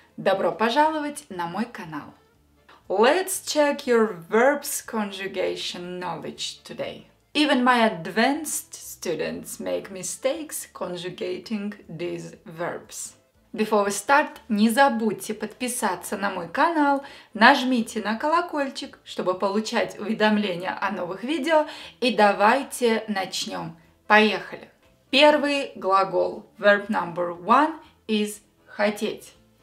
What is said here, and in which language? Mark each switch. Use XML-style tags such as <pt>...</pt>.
<ru>Добро пожаловать на мой канал.</ru> <en>Let's check your verbs conjugation knowledge today. Even my advanced students make mistakes conjugating these verbs. Before we start,</en> <ru>не забудьте подписаться на мой канал, нажмите на колокольчик, чтобы получать уведомления о новых видео, и давайте начнем. Поехали! Первый глагол,</ru> <en>verb number one, is хотеть.</en>